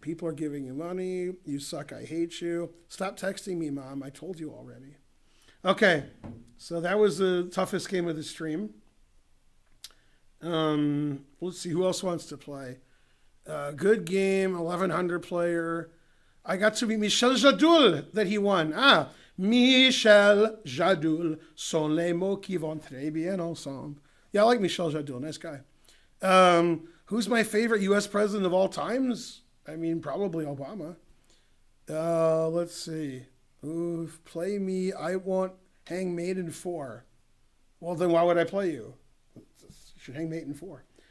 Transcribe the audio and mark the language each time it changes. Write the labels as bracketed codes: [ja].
[en] People are giving you money. You suck, I hate you. Stop texting me, Mom. I told you already. Okay, so that was the toughest game of the stream. Let's see, who else wants to play? Good game, 1,100 player. I got to meet Michel Jadoul that he won. [fr] Ah, Michel Jadoul, sont les mots qui vont très bien ensemble. [en] Yeah, I like Michel Jadoul, nice guy. Who's my favorite U.S. president of all times? I mean, probably Obama. Let's see. Ooh, play me, I want Hang Maiden 4. Well, then why would I play you? You should Hang Maiden 4.